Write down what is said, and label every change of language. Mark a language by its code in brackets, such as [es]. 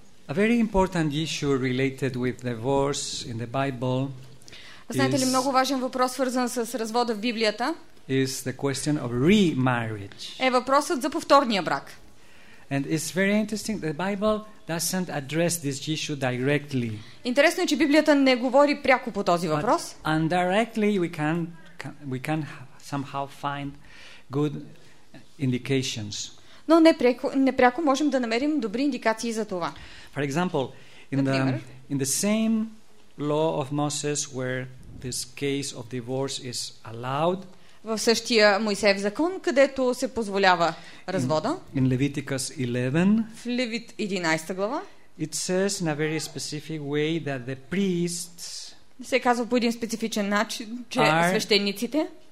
[en] A very important issue related with divorce in the Bible. [bg] Знаете ли, много важен въпрос, свързан с развода в Библията. [en] Is the question of remarriage. [bg] Е въпросът за повторния брак. [en] And it's very interesting the Bible doesn't address this issue directly. [bg] Интересно е, че Библията не говори пряко по този въпрос. [en] But indirectly we can somehow find good indications. [bg] Но непряко можем да намерим добри индикации за това. [en] For example, in the same law of Moses where this case of divorce is allowed. [bg] В същия Моисеев закон, където се позволява развода. [en] In Leviticus 11. [bg] В Левит 11 глава. [en] It says in a very specific way that the priests. [bg] Се казва по един специфичен начин, че свещениците.